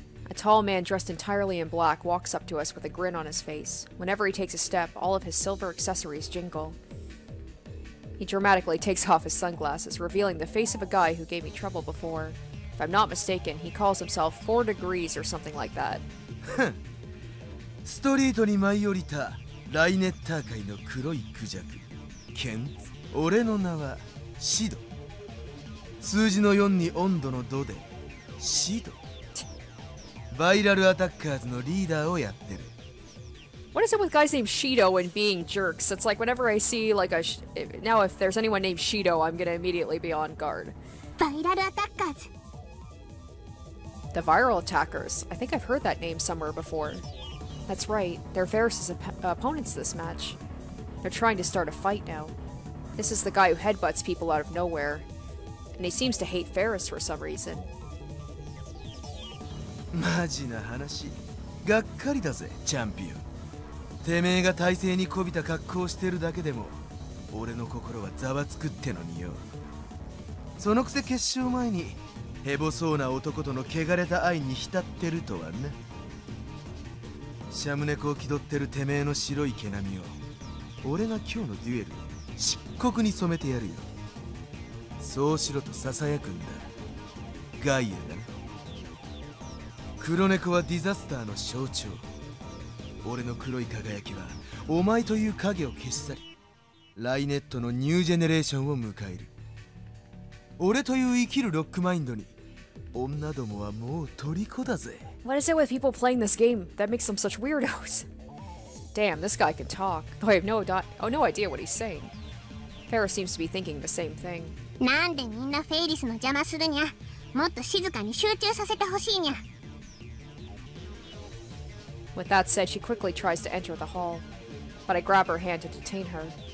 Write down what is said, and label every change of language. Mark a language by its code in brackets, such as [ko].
[en] A tall man dressed entirely in black walks up to us with a grin on his face. Whenever he takes a step, all of his silver accessories jingle. He dramatically takes off his sunglasses, revealing the face of a guy who gave me trouble before. If I'm not mistaken, he calls himself 4 degrees or something like that. [ja] ストリートに舞い降りたライネッター界の黒いクジャク。剣、俺の名はシド。数字の4に温度のドで、シド。バイラルアタッカーズのリーダーをやってる。 [en] What is it with guys named Shido and being jerks? It's like whenever I see like a now if there's anyone named Shido, I'm gonna immediately be on guard. Viral attackers. The viral attackers. I think I've heard that name somewhere before. That's right. They're Faris's opponents this match. They're trying to start a fight now. This is the guy who headbutts people out of nowhere, and he seems to hate Faris for some reason. [ja] マジな話。がっかりだぜ、チャンピオン。てめえが体勢にこびた格好をしてるだけでも俺の心はざわつくってのによそのくせ決勝前にヘボそうな男との汚れた愛に浸ってるとはなシャムネコを気取ってるてめえの白い毛並みを俺が今日のデュエル漆黒に染めてやるよそうしろとささやくんだガイアだな黒猫はディザスターの象徴俺の黒い輝きはお前という影を消し去りライネットのニュージェネレーションを迎える俺という生きるロックマインドに女どもはもう虜だぜ [en] What is it with people playing this game that makes them such weirdos? Damn, this guy can talk. I have no idea what he's saying. Faris seems to be thinking the same thing. [ja] なんでみんなフェイリスの邪魔するにゃもっと静かに集中させてほしいにゃ [en] With that said, she quickly tries to enter the hall. But I grab her hand to detain her.